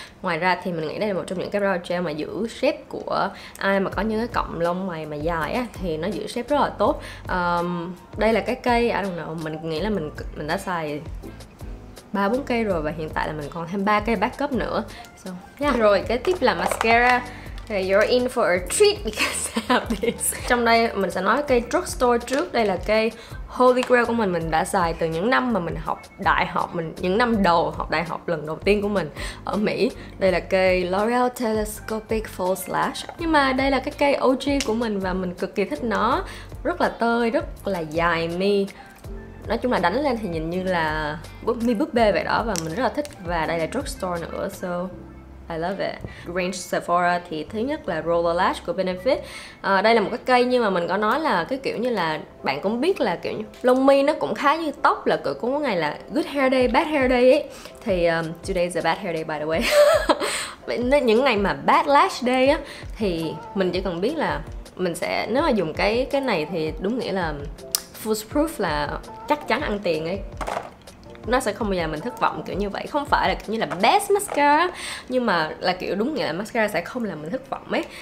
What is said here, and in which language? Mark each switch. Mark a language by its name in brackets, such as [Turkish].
[Vietnamese] Ngoài ra thì mình nghĩ đây là một trong những cái brow gel mà giữ shape của ai mà có những cái cọng lông mày mà dài á thì nó giữ shape rất là tốt. Đây là cái cây, [English] I don't know, [Vietnamese] mình nghĩ là mình mình đã xài 3-4 cây rồi và hiện tại là mình còn thêm 3 cây backup nữa. [English] So, yeah. [Vietnamese] Rồi kế tiếp là mascara. [English] You're in for a treat because I have this. [Vietnamese] Trong đây mình sẽ nói cây drugstore trước. Đây là cây Holy Grail của mình đã xài từ những năm mà mình học đại học, những năm đầu học đại học lần đầu tiên của mình ở Mỹ. Đây là cây L'Oreal Telescopic False Lash. Nhưng mà đây là cái cây OG của mình và mình cực kỳ thích nó. Rất là tơi, rất là dài mi. Nói chung là đánh lên thì nhìn như là mi búp bê vậy đó và mình rất là thích. Và đây là drugstore nữa, [English] so I love it. [Vietnamese] Range Sephora thì thứ nhất là Roller Lash của Benefit. Đây là một cái cây nhưng mà mình có nói là cái kiểu như là bạn cũng biết là kiểu như lông mi nó cũng khá như tóc, là cứ có một ngày là [English] good hair day, bad hair day [Vietnamese] ấy. [English] Thì today is a bad hair day by the way. [Vietnamese] Nên những ngày mà bad lash day á thì mình chỉ cần biết là mình sẽ, nếu mà dùng cái này thì đúng nghĩa là foolproof, là chắc chắn ăn tiền ấy. Nó sẽ không bao giờ mình thất vọng kiểu như vậy. Không phải là kiểu như là best mascara, nhưng mà là kiểu đúng nghĩa là mascara sẽ không làm mình thất vọng ấy.